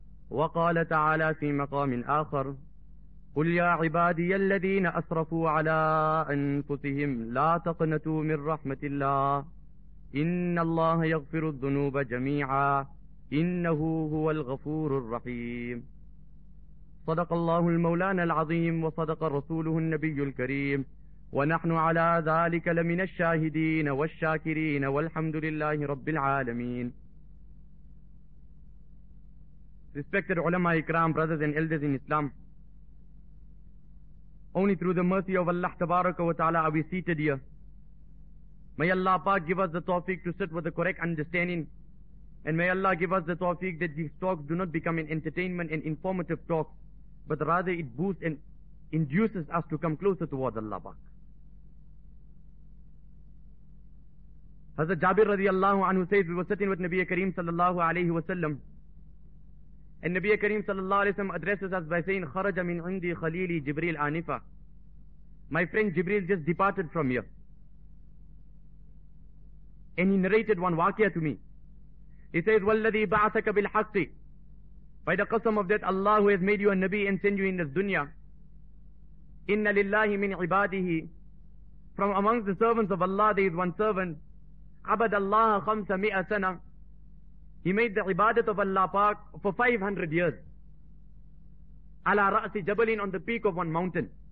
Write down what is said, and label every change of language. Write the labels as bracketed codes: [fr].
[ar] وقال تعالى في مقام آخر: قل يا عبادي الذين أسرفوا على أنفسهم لا تقنطوا من رحمة الله، إن الله يغفر الذنوب جميعا، إنه هو الغفور الرحيم. صدق الله المولانا العظيم، وصدق رسوله النبي الكريم، ونحن على ذلك لمن الشاهدين والشاكرين، والحمد لله رب العالمين. [en] Respected علماء اكرام، brothers and elders in Islam, only through the mercy of Allah تبارك وتعالى are we seated here. May Allah Pak give us the tawfiq to sit with the correct understanding. And may Allah give us the tawfiq that these talks do not become an entertainment and informative talk, but rather it boosts and induces us to come closer towards Allah Pak. Hazrat Jabir radiallahu anhu says, we were sitting with Nabiya Kareem sallallahu alayhi wa sallam. And Nabiya Kareem sallallahu alayhi wa sallam addresses us by saying, [ar] Kharaja min indi khalili Jibreel anifa. [en] My friend Jibreel just departed from here. And he narrated one waqiyah to me. He says, [ar] وَالَّذِي بَعْثَكَ بِالْحَقِّ. [en] By the qasam of that Allah who has made you a Nabi and send you in this dunya. [ar] إِنَّ لِلَّهِ مِنْ عِبَادِهِ. [en] From amongst the servants of Allah, there is one servant. [ar] عَبَدَ اللَّهَ خَمْسَ مِئَ سَنَة. [en] He made the ibadat of Allah Pak for 500 years. [ar] عَلَى رَأْسِ جَبَلٍ, [en] on the peak of one mountain.